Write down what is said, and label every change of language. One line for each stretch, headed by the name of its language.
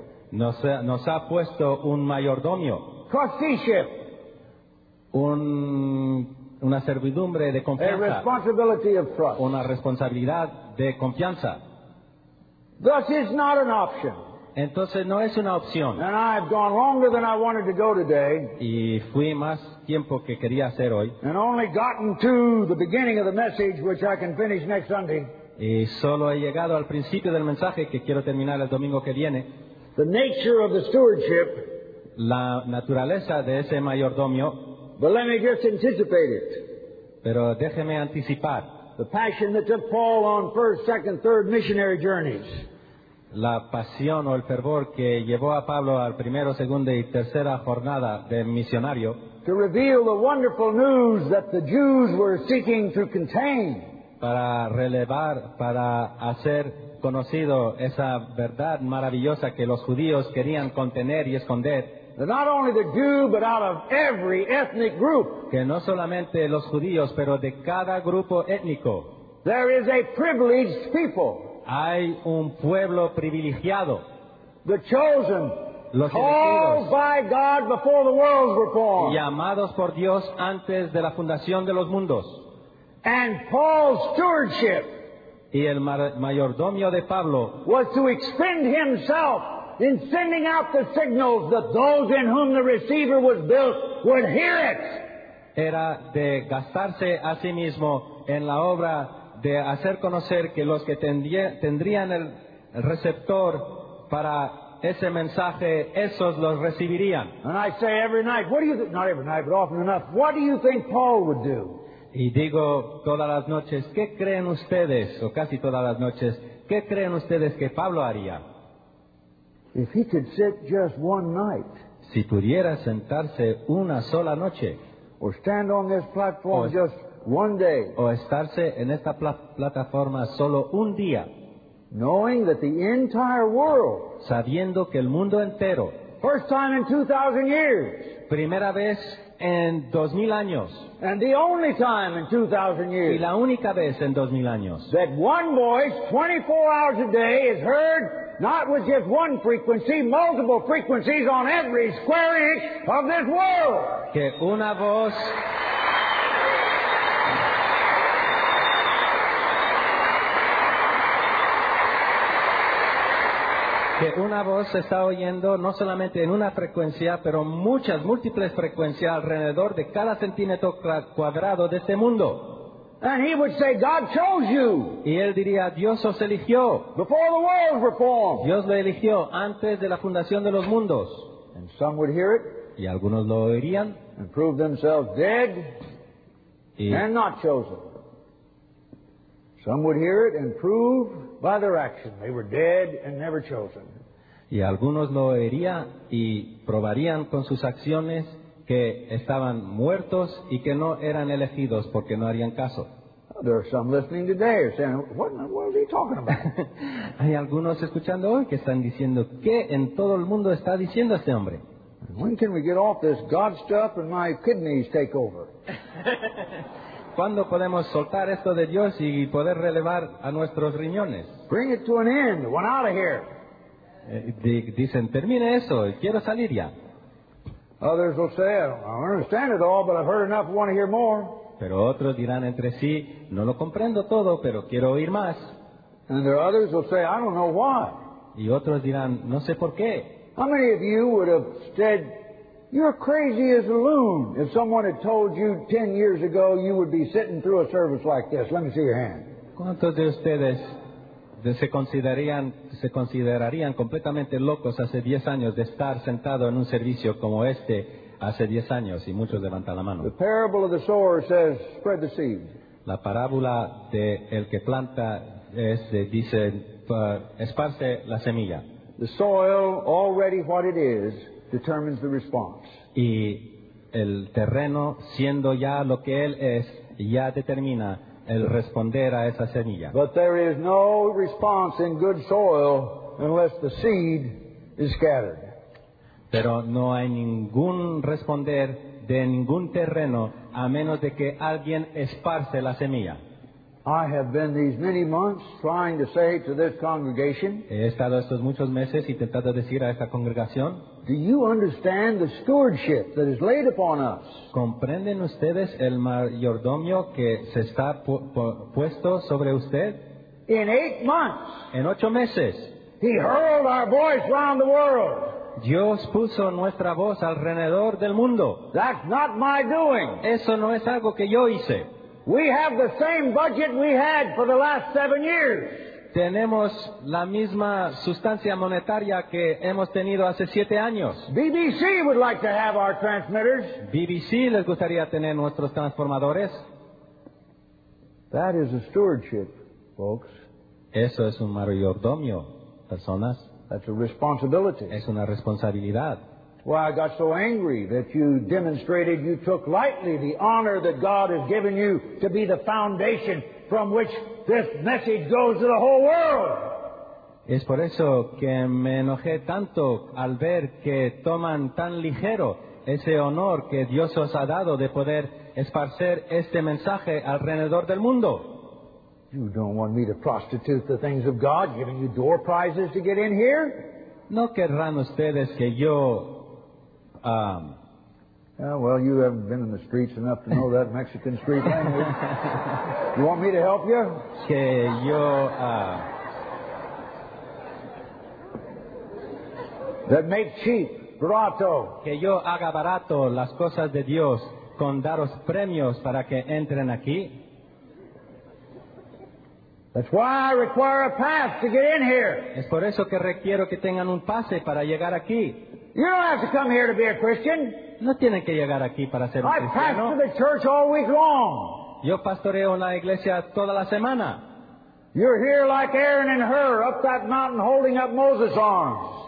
Spanish: Nos ha puesto un mayordomio.
English: Trusteeship.
Spanish: Una servidumbre de confianza.
English: A responsibility of trust.
Spanish: Una responsabilidad de confianza.
English: Thus is not an option.
Spanish: Entonces no es una opción.
English: And I have gone longer than I wanted to go today.
Spanish: Y fui más tiempo que quería hacer hoy.
English: And only gotten to the beginning of the message, which I can finish next Sunday.
Spanish: Y solo he llegado al principio del mensaje que quiero terminar el domingo que viene.
English: The nature of the stewardship.
Spanish: La naturaleza de ese mayordomio.
English: But let me just anticipate it.
Spanish: Pero déjeme anticipar.
English: The passion that took Paul on first, second, third missionary journeys.
Spanish: La pasión o el fervor que llevó a Pablo al primero, segundo y tercera jornada de misionario.
English: To reveal the wonderful news that the Jews were seeking to contain.
Spanish: Para relevar, para hacer conocido esa verdad maravillosa que los judíos querían contener y esconder.
English: Not only the Jew, but out of every ethnic group.
Spanish: Que no solamente los judíos, pero de cada grupo étnico.
English: There is a privileged people.
Spanish: Hay un pueblo privilegiado.
English: The chosen.
Spanish: Los
English: called by God before the worlds were formed.
Spanish: Llamados por Dios antes de la fundación de los mundos.
English: And Paul's stewardship.
Spanish: Y el mayordomio de Pablo.
English: Was to expend himself in sending out the signals that those in whom the receiver was built would hear it.
Spanish: Era de gastarse a sí mismo en la obra de hacer conocer que los que tendrían el receptor para ese mensaje, esos los recibirían.
English: And I say every night, not every night, but often enough, what do you think Paul would do?
Spanish: Y digo todas las noches, ¿qué creen ustedes? O casi todas las noches, ¿qué creen ustedes que Pablo haría?
English: If he could sit just one night,
Spanish: si pudiera sentarse una sola noche,
English: or stand on this platform just one day,
Spanish: o estarse en esta plataforma solo un día,
English: knowing that the entire world,
Spanish: sabiendo que el mundo entero,
English: first time in 2,000 years,
Spanish: primera vez en 2,000 años,
English: and the only time in 2,000 years,
Spanish: y la única vez en 2,000 años,
English: that one voice 24 hours a day is heard. Not with just one frequency, multiple frequencies on every square inch of this world.
Spanish: Que una voz. Que una voz se está oyendo no solamente en una frecuencia, pero muchas, múltiples frecuencias alrededor de cada centímetro cuadrado de este mundo.
English: And he would say, God chose you.
Spanish: Y él diría, Dios os eligió.
English: Before the world were formed.
Spanish: Dios lo eligió antes de la fundación de los mundos.
English: And some would hear it.
Spanish: Y algunos lo oirían.
English: And prove themselves dead. And not chosen. Some would hear it and prove by their action they were dead and never chosen.
Spanish: Y algunos lo oirían y probarían con sus acciones que estaban muertos y que no eran elegidos porque no harían caso.
English: There are some listening today saying, what in the world is he talking about?
Spanish: Hay algunos escuchando hoy que están diciendo, ¿qué en todo el mundo está diciendo este hombre?
English: When can we get off this God stuff and my kidneys take over?
Spanish: ¿Cuándo podemos soltar esto de Dios y poder relevar a nuestros riñones?
English: Bring it to an end, one out of here.
Spanish: Dicen, termine eso, quiero salir ya.
English: Others will say, I don't understand it all, but I've heard enough, I want to hear more.
Spanish: Pero otros dirán entre sí, no lo comprendo todo, pero quiero oír más.
English: And there are others will say, I don't know why.
Spanish: Y otros dirán, no sé por qué.
English: How many of you would have said, you're crazy as a loon, if someone had told you 10 years ago you would be sitting through a service like this? Let me see your hand.
Spanish: ¿Cuántos de ustedes se considerarían completamente locos hace 10 años de estar sentado en un servicio como este hace 10 años? Y muchos levantan la mano.
English: The parable of the sower says, spread the seed.
Spanish: La parábola de el que planta dice, esparce la semilla.
English: The soil, already what it is, determines the response.
Spanish: Y el terreno, siendo ya lo que él es, ya determina el responder a esa semilla.
English: But there is no response in good soil unless the seed is scattered.
Spanish: Pero no hay ningún responder de ningún terreno a menos de que alguien esparce la semilla.
English: I have been these many months trying to say to this congregation,
Spanish: he estado estos muchos meses intentando decir a esta congregación,
English: do you understand the stewardship that is laid upon us?
Spanish: ¿Comprenden ustedes el mayordomio que se está puesto sobre usted?
English: In 8 months,
Spanish: en 8 meses,
English: he hurled our voice round the world.
Spanish: Dios puso nuestra voz alrededor del mundo.
English: That's not my doing.
Spanish: Eso no es algo que yo hice.
English: We have the same budget we had for the last 7 years.
Spanish: Tenemos la misma sustancia monetaria que hemos tenido hace 7 años.
English: BBC would like to have our transmitters.
Spanish: BBC les gustaría tener nuestros transformadores.
English: That is a stewardship, folks.
Spanish: Eso es un mayordomio, personas.
English: That's a responsibility.
Spanish: Es una responsabilidad.
English: Why I got so angry that you demonstrated you took lightly the honor that God has given you to be the foundation from which this message goes to the whole world.
Spanish: Es por eso que me enojé tanto al ver que toman tan ligero ese honor que Dios os ha dado de poder esparcer este mensaje alrededor del mundo.
English: You don't want me to prostitute the things of God, giving you door prizes to get in here?
Spanish: No querrán ustedes que yo...
English: Well, you haven't been in the streets enough to know that Mexican street language. You want me to help you?
Spanish: Que yo...
English: That make cheap, barato.
Spanish: Que yo haga barato las cosas de Dios con daros premios para que entren aquí.
English: That's why I require a pass to get in here.
Spanish: Es por eso que requiero que tengan un pase para llegar aquí.
English: You don't have to come here to be a Christian.
Spanish: No tienen que llegar aquí para ser un cristiano.
English: I pastor the church all week long.
Spanish: Yo pastoreo la iglesia toda la semana.
English: You're here like Aaron and Hur up that mountain holding up Moses' arms.